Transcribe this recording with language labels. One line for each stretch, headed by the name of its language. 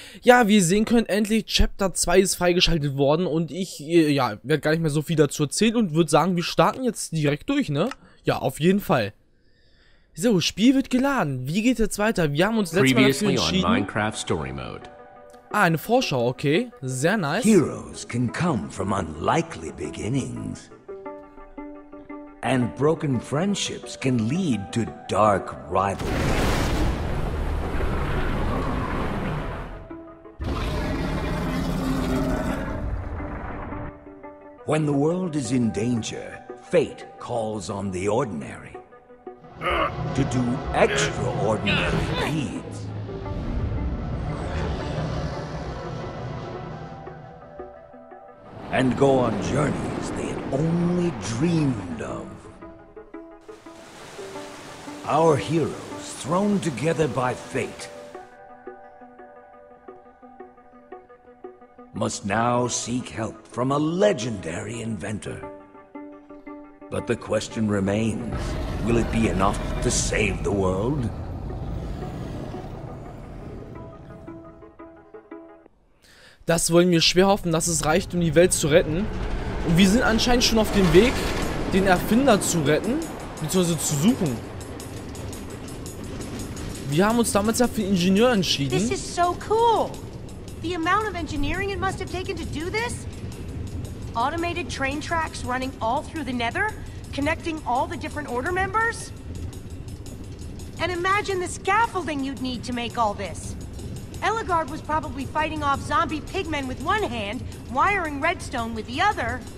German: Ja, wie ihr sehen könnt, endlich Chapter 2 ist freigeschaltet worden und ich, ja, werde gar nicht mehr so viel dazu erzählen und würde sagen, wir starten jetzt direkt durch, ne? Ja, auf jeden Fall. So, Spiel wird geladen. Wie geht jetzt weiter? Wir haben uns letztes Mal dafür entschieden. On Minecraft Story Mode. Ah, eine Vorschau, okay. Sehr nice.
English: Heroes can come from unlikely beginnings. And broken friendships can lead to dark rivalries. When the world is in danger, fate calls on the ordinary to do extraordinary deeds. And go on journeys they had only dreamed of. Our heroes, thrown together by fate, must now seek help from a legendary inventor. But the question remains, will it be enough to save the world?
German: Das wollen wir schwer hoffen, dass es reicht, um die Welt zu retten. Und wir sind anscheinend schon auf dem Weg, den Erfinder zu retten, beziehungsweise zu suchen. Wir haben uns damals ja für Ingenieur entschieden.
English: This is so cool. The amount of engineering it must have taken to do this. Automated train tracks running all through the Nether, connecting all the different order members. And imagine the scaffolding you'd need to make all this. Elagard was probably fighting off zombie pigmen with one hand, wiring redstone with the other.